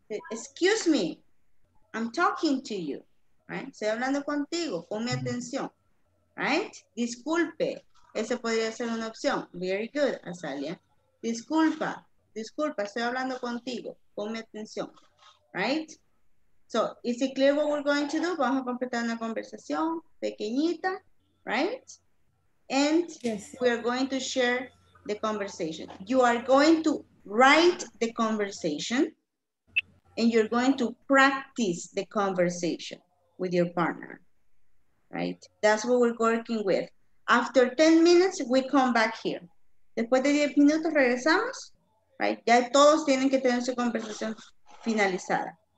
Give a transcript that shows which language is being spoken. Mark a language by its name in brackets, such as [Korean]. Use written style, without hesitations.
[English] Excuse me. I'm talking to you, right? [Spanish] Estoy hablando contigo, ponme atención, right? Disculpe, esa podría ser una opción. [English] Very good, [Spanish] Azalia. Disculpa, disculpa, estoy hablando contigo, ponme atención, right? [English] So, is it clear what we're going to do? [Spanish] Vamos a completar una conversación pequeñita, right? And [English] yes, we are going to share the conversation. You are going to write the conversation, and you're going to practice the conversation with your partner, right? That's what we're working with. After 10 minutes, we come back here. [Spanish] Después de 10 minutos regresamos. Right? Ya todos tienen que tener su conversación finalizada.